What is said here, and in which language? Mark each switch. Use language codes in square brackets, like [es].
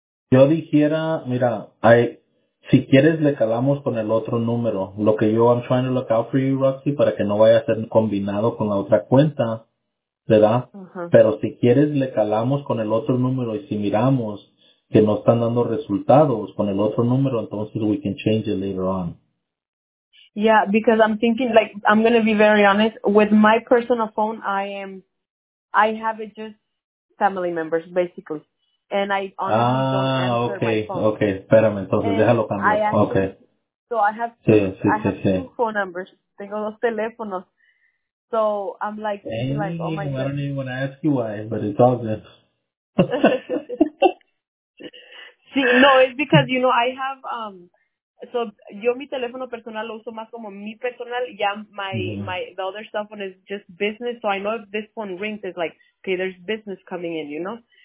[es] Yo dijera, mira, si quieres, le calamos con el otro número. Lo que yo, [en] I'm trying to look out for you, [es] Roxy, para que no vaya a ser combinado con la otra cuenta, ¿verdad? Pero si quieres, le calamos con el otro número y si miramos que no están dando resultados con el otro número, entonces [en] we can change it later on. Yeah, because I'm thinking, like, I'm going to be very honest. With my personal phone, I have it just family members, basically. And I honestly don't answer my phone. [es] Espérame, entonces, [en] and [es] déjalo cambiar. [en] So I have two phone numbers. [es] Tengo dos teléfonos. [en] So I'm like, I don't even want to ask you why, but it's all good. See, no, it's because, you know, I have, [es] So, yo mi teléfono personal lo uso más como mi personal. [en] Yeah, the other cell phone is just business. So, I know if this phone rings, it's like, okay, there's business coming in, you know?